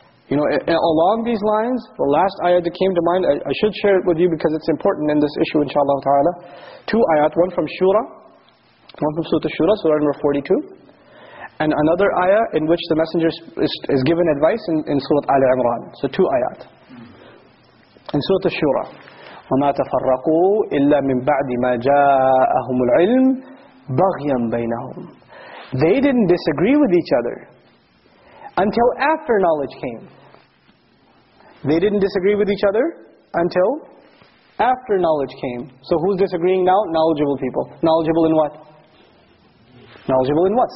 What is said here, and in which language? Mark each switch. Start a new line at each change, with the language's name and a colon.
English: You know, along these lines, the last ayat that came to mind, I should share it with you because it's important in this issue, inshallah ta'ala. Two ayat, one from Shura, one from Surah Shura, Surah number 42. And another ayah in which the Messenger is given advice in Surah Al Imran. So two ayat. In Surah Shura,
Arabic: وَمَا تَفَرَّقُوا إِلَّا مِن بَعْدِ مَا جَاءَهُمُ الْعِلْمِ بَغْيًا بَيْنَهُمْ.
English: They didn't disagree with each other until after knowledge came. They didn't disagree with each other until after knowledge came. So who's disagreeing now? Knowledgeable people. Knowledgeable in what? Knowledgeable in what?